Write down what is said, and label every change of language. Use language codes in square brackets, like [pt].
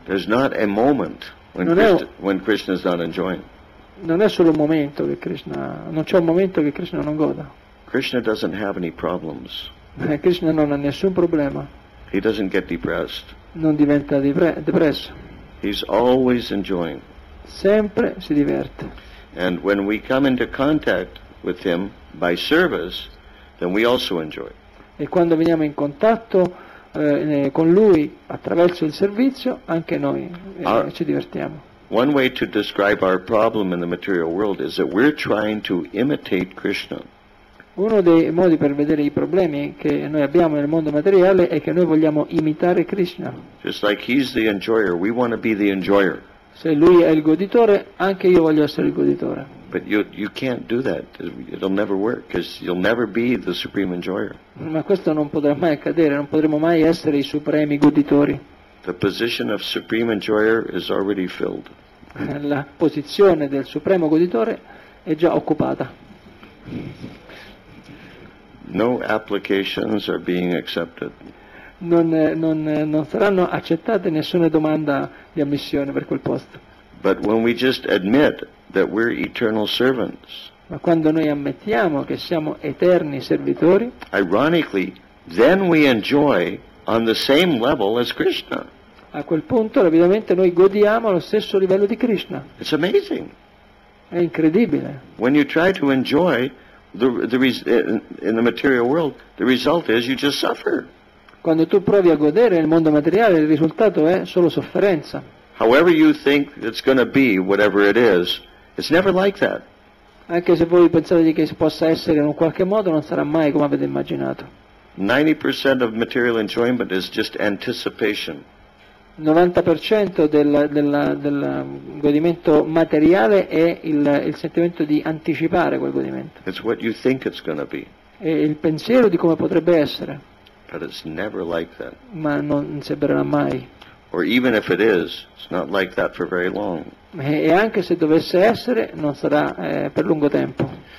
[en] There's not a moment when Krishna is not enjoying. [it] Non è solo un momento che Krishna, non c'è un momento che Krishna non goda. [en] Krishna doesn't have any problems. [it] Krishna non ha nessun problema. [en] He doesn't get depressed. [it] Non diventa depresso. [en] He's always enjoying. [it] Sempre si diverte. [en] And when we come into contact with him by service, then we also enjoy. [it] E quando veniamo in contatto con lui attraverso il servizio, anche noi ci divertiamo. [en] One way to describe our problem in the material world is that we're trying to imitate Krishna. [it] Uno dei modi per vedere i problemi che noi abbiamo nel mondo materiale è che noi vogliamo imitare Krishna. [en] Just like he's the enjoyer, we want to be the enjoyer. [it] Se lui è il goditore, anche io voglio essere il goditore. [en] But you can't do that. It'll never work because you'll never be the supreme enjoyer. [it] Ma questo non potrà mai accadere, non potremo mai essere i supremi goditori. [en] The position of supreme enjoyer is already filled. [it] La posizione del supremo goditore è già occupata. [en] No applications are being accepted. [it] Non saranno accettate nessuna domanda di ammissione per quel posto. [en] But when we just admit that we're eternal servants. [it] Ma quando noi ammettiamo che siamo eterni servitori. [en] Ironically, then we enjoy on the same level as Krishna. [it] A quel punto, rapidamente, noi godiamo allo stesso livello di Krishna. [en] It's amazing. [it] È incredibile. [en] When you try to enjoy the in the material world, the result is you just suffer. [it] Quando tu provi a godere il mondo materiale, il risultato è solo sofferenza. [en] However you think it's going to be, whatever it is, it's never like that. [it] Anche se voi pensate che possa essere in un qualche modo, non sarà mai come avete immaginato. [en] 90% of material enjoyment is just anticipation. [it] 90% del godimento materiale è il sentimento di anticipare quel godimento. [en] It's what you think it's going to be. [it] È il pensiero di come potrebbe essere. [en] But it's never like that. [it] Ma non sembrerà mai. [en] Or even if it is, it's not like that for very long. [it] E anche se dovesse essere, non sarà per lungo tempo.